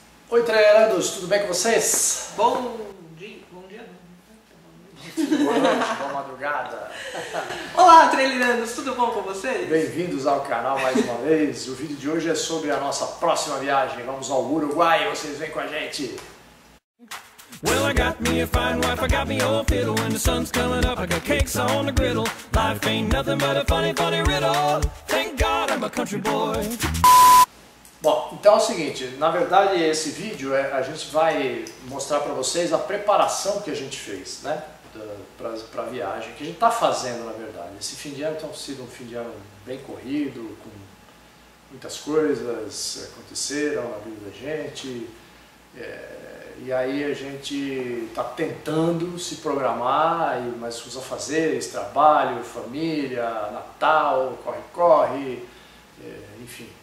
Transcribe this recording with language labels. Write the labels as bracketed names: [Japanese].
[Portuguese] Oi, treinados, tudo bem com vocês? Bom dia, bom dia. Boa noite, boa madrugada. Olá, treinados, tudo bom com vocês? Bem-vindos ao canal mais uma vez. O vídeo de hoje é sobre a nossa próxima viagem. Vamos ao Uruguai, vocês vêm com a gente. [English] Well, I got me a fine wife, I got me old fiddle. When the sun's coming up, I got cakes on the griddle. Life ain't nothing but a funny, funny riddle. Thank God I'm a country boy. [Portuguese] Bom, então é o seguinte, na verdade esse vídeo a gente vai mostrar para vocês a preparação que a gente fez, né, para a viagem, que a gente está fazendo na verdade. Esse fim de ano tem sido um fim de ano bem corrido, com muitas coisas aconteceram na vida da gente, e aí a gente está tentando se programar, mas os afazeres, trabalho, família, Natal, corre-corre, enfim.